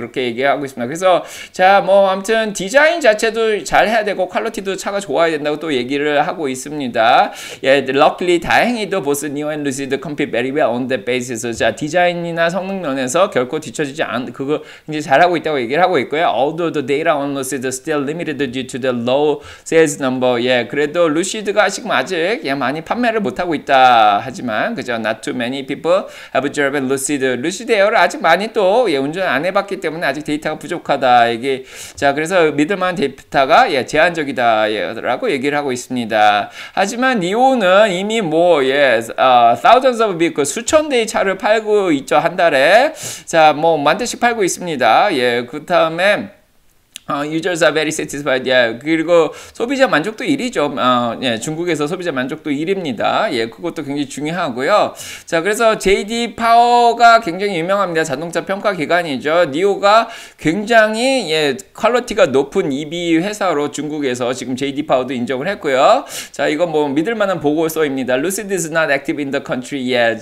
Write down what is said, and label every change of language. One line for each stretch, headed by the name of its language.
Korean: 그렇게 얘기하고 있습니다. 그래서 자, 뭐 아무튼 디자인 자체도 잘 해야 되고 퀄리티도 차가 좋아야 된다고 또 얘기를 하고 있습니다.
English: 예, luckily
Korean: 다행히도
English: 보스 니오 앤 루시드 compete very well on that basis.
Korean: 자, 디자인이나 성능 면에서 결코 뒤처지지 않 그거 이제 잘하고 있다고 얘기를 하고 있고요.
English: Although the data on Lucid still limited due to the low sales number.
Korean: 예, 그래도 루시드가 지금 아직 예, 많이 판매를 못 하고 있다 하지만 그죠
English: not too many people have driven Lucid.
Korean: Lucid Air를 아직 많이 또 예, 운전 안 해봤기 때문에 아직 데이터가 부족하다 이게 자 그래서 믿을만한 데이터가 예, 제한적이다 예, 라고 얘기를 하고 있습니다. 하지만 NIO는 이미 뭐 예,
English: thousands of vehicles
Korean: 수천 대의 차를 팔고 있죠 한 달에 자 뭐 만 대씩 팔고 있습니다. 예 그 다음에
English: users are very satisfied. Yeah.
Korean: 그리고 소비자 만족도 1위죠. 예, 중국에서 소비자 만족도 1위입니다. 예, 그것도 굉장히 중요하고요. 자, 그래서 JD 파워가 굉장히 유명합니다. 자동차 평가 기관이죠. 니오가 굉장히 예, 퀄리티가 높은 EV 회사로 중국에서 지금 JD 파워도 인정을 했고요. 자, 이거 뭐 믿을 만한 보고서입니다.
English: Lucid is not active in the country yet.